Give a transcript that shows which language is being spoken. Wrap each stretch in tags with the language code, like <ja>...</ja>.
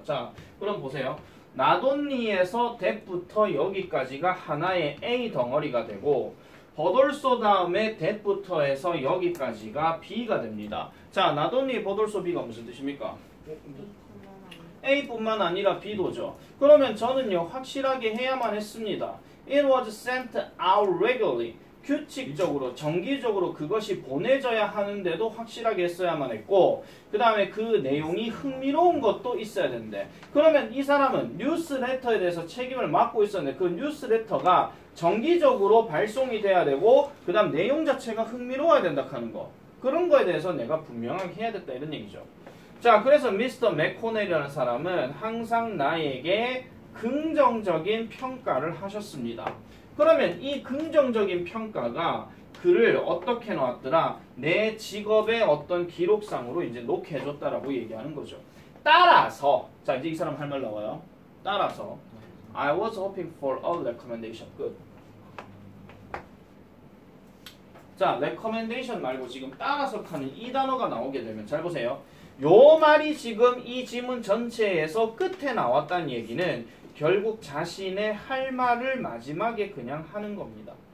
<ko>자, 그럼 보세요. 나돈니에서 대부터 여기까지가 하나의 A 덩어리가 되고, 버돌소 다음에 대부터에서 여기까지가 B가 됩니다. 자, 나돈니 버돌소 B가 무슨 뜻입니까? A뿐만 아니라 B도죠. 그러면 저는요, 확실하게 해야만 했습니다.</ko> <en>It was sent out regularly.</en> <ko>규칙적으로, 정기적으로 그것이 보내져야 하는데도 확실하게 했어야만 했고, 그 다음에 그 내용이 흥미로운 것도 있어야 되는데, 그러면 이 사람은 뉴스레터에 대해서 책임을 맡고 있었는데 그 뉴스레터가 정기적으로 발송이 돼야 되고, 그 다음 내용 자체가 흥미로워야 된다 하는 거, 그런 거에 대해서 내가 분명하게 해야 됐다 이런 얘기죠. 자, 그래서 미스터 맥코넬이라는 사람은 항상 나에게 긍정적인 평가를 하셨습니다. 그러면 이 긍정적인 평가가 글을 어떻게 놓았더라? 내 직업의 어떤 기록상으로 이제 놓게 해줬다라고 얘기하는 거죠. 따라서, 자, 이제 이 사람 할 말 나와요. 따라서</ko> <en>I was hoping for a recommendation. Good.</en> <ko>자, recommendation 말고 지금 따라서 하는 이 단어가 나오게 되면 잘 보세요. 요 말이 지금 이 지문 전체에서 끝에 나왔다는 얘기는 결국 자신의 할 말을 마지막에 그냥 하는 겁니다.</ko>